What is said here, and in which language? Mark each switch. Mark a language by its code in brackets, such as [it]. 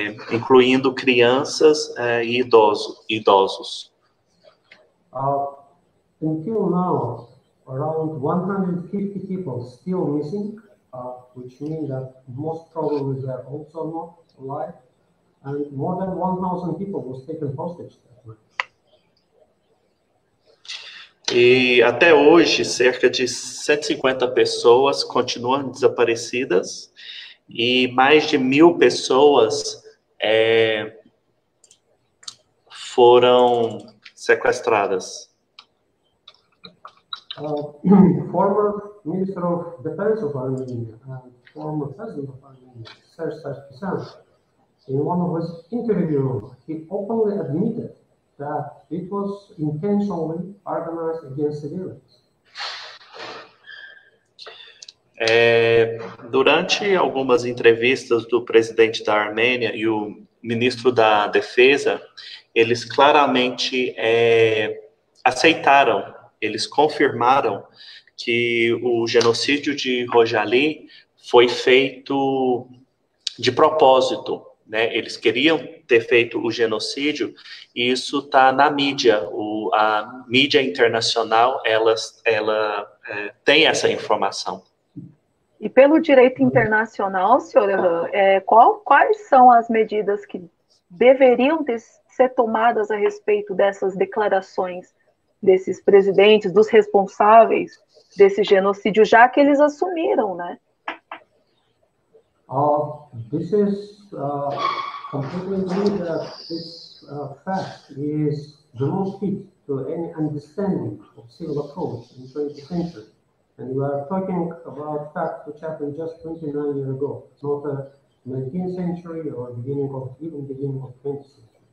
[pt] incluindo crianças e idosos. [en] Until now, around 150 people still missing, which means that most probably they are also not alive, and more than 1,000 people was taken hostage. [pt] E até hoje, cerca de 150 pessoas continuam desaparecidas e mais de 1,000 pessoas foram sequestradas. [en] Former Minister of Defense of Armenia and former President of Armenia, Serge Sargsyan, in one of his interviews, he openly admitted that it was intentionally organized against civilians. [pt] Durante algumas entrevistas do presidente da Armênia e o ministro da Defesa, eles claramente aceitaram, eles confirmaram que o genocídio de Rojali foi feito de propósito, né? Eles queriam ter feito o genocídio, e isso está na mídia, a mídia internacional, ela tem essa informação. E pelo direito internacional, senhor Erhan, quais são as medidas que deveriam ser tomadas a respeito dessas declarações desses presidentes, dos responsáveis desse genocídio, já que eles assumiram, né? [en] This is completely clear that this fact is the most fit to any understanding of civil approach in 20th century. And we are talking about facts which happened just 29 years ago, not the 19th century or beginning of 20th century.